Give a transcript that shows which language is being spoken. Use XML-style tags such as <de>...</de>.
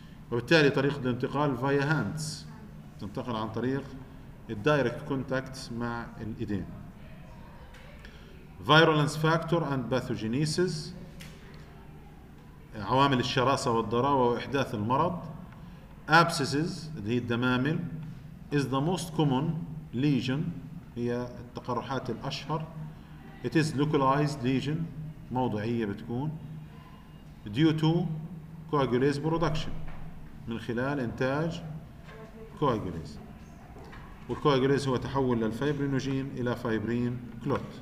<ar>وبالتالي طريق الانتقال</ar> <en>via hands،</en> <ar>تنتقل عن طريق الدايركت كونتاكت مع الإيدين.</ar> <en>virulence factor and pathogenesis،</en> <ar>عوامل الشراسة والضراوة وإحداث المرض.</ar> <en>abscesses</en> <ar>هي الدمامل</ar> <en>is the most common lesion،</en> <ar>هي التقرحات الأشهر.</ar> <en>It is localized lesion،</en> <ar>موضعية بتكون</ar> <en>due to coagulase production،</en> <ar>من خلال إنتاج coagulase، والcoagulase هو تحول للفايبرينوجين إلى فايبرين كلوت.</ar>